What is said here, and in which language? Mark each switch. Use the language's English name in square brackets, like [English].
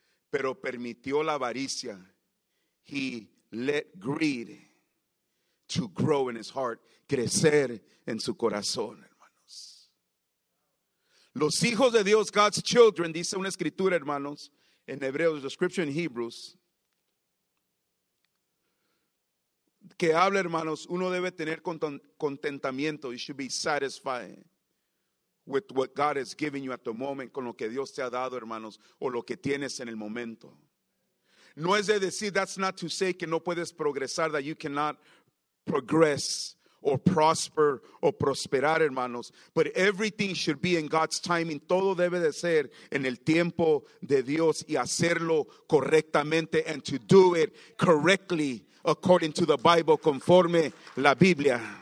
[Spanish] Pero permitió la avaricia. [English] He let greed to grow in his heart. [Spanish] Crecer en su corazón, hermanos. Los hijos de Dios, [English] God's children, [Spanish] dice una escritura, hermanos, en Hebreos, [English] the scripture in Hebrews, [Spanish] que habla, hermanos, uno debe tener contentamiento. [English] You should be satisfied with what God has given you at the moment, [Spanish] con lo que Dios te ha dado, hermanos, o lo que tienes en el momento. No es de decir, [English] that's not to say [Spanish] que no puedes progresar, [English] that you cannot progress or prosper or [Spanish] prosperar, hermanos. [English] But everything should be in God's timing. [Spanish] Todo debe de ser en el tiempo de Dios y hacerlo correctamente, [English] and to do it correctly according to the Bible, [Spanish] conforme la Biblia.